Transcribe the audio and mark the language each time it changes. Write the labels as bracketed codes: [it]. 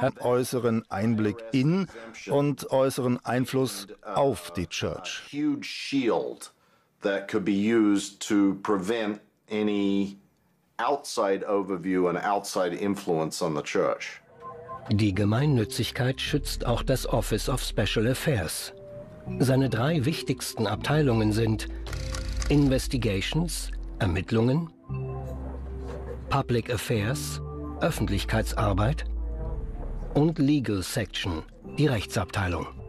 [de] Hat äußeren Einblick in und äußeren Einfluss auf die Church. [en] Huge shield that could be used to prevent any outside overview and outside influence on the church. [de] Die Gemeinnützigkeit schützt auch das Office of Special Affairs. Seine drei wichtigsten Abteilungen sind Investigations, Ermittlungen, Public Affairs, Öffentlichkeitsarbeit und Legal Section, die Rechtsabteilung.